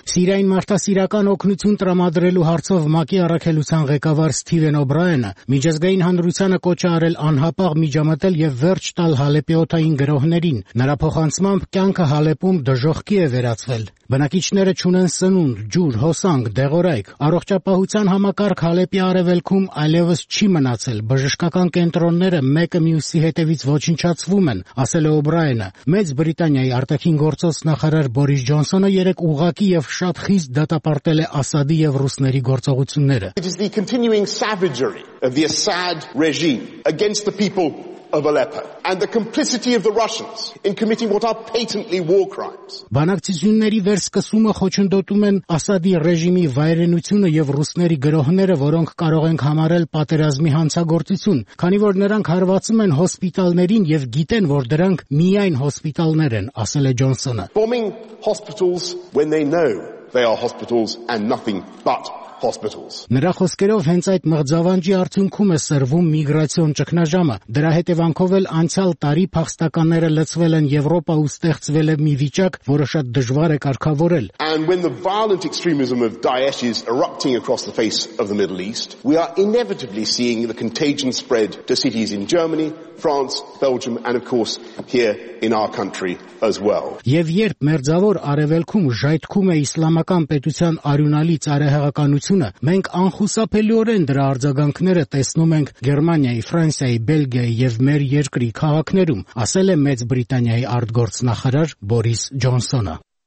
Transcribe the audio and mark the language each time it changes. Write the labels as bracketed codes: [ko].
[hy] Սիրիայի մարդասիրական օգնություն տրամադրելու հարցով ՄԱԿ-ի առաքելության ղեկավար Սթիվեն Օբրայենը միջազգային հանրությանը կոչ արել անհապաղ միջամտել և վերջ տալ Հալեպի օդային գրոհներին։ Նրա փոխանցմամբ կյանքը Հալեպում դժոխքի է վերածվել։ Բնակիչները չունեն սնունդ, ջուր, հոսանք, դեղորայք։ Առողջապահության համակարգ Հալեպի արևելքում այլևս չի մնացել։ Բժշկական կենտրոնները մեկը մյուսի հետևից ոչնչացվում են, ասել է Օբրայենը։ Մեծ Բրիտանիայի արտաքին գործոստ նախարար Բորիս Ջոնսոնը երեկ ուղղակի և շատ խիստ դատապարտել է Ասադի և ռուսների գործողությունները։ [en] It is the continuing savagery of the Assad regime against the people of Aleppo and the complicity of the Russians in committing what are patently war crimes. [hy] Բանակցությունների վերսկսումը խոչընդոտում են Ասադի ռեժիմի վայրենությունը եւ ռուսների գրոհները, որոնք կարող են համարել պատերազմի հանցագործություն, քանի որ նրանք հարվածում են հոսպիտալներին եւ գիտեն, որ դրանք միայն հոսպիտալներ են, ասել է Ջոնսոնը. [en] Bombing hospitals when they know they are hospitals and nothing but hospitals. [hy] Նրա խոսքերով հենց այդ մղձավանջի արդյունքում է սրվում միգրացիոն ճգնաժամը։ Դրա հետևանքով էլ անցյալ տարի փախստականները լցվել են Եվրոպա ու ստեղծվել է մի վիճակ, որը շատ դժվար է կարգավորել։ [en] And when the violent extremism of Daesh is erupting across the face of the Middle East, we are inevitably seeing the contagion spread to cities in Germany, France, Belgium and of course here in our country as well. [hy] Եվ երբ մերձավոր արևելքում ժայթքում է իսլամական պետության արյունալի ծարահեղական ությունը, մենք անխուսափելիորեն դրա արձագանքները տեսնում ենք Գերմանիայի, Ֆրանսիայի, Բելգիայի եւ մեր երկրի քաղաքներում, ասել է Մեծ Բրիտանիայի արտգործնախարար Բորիս Ջոնսոնը։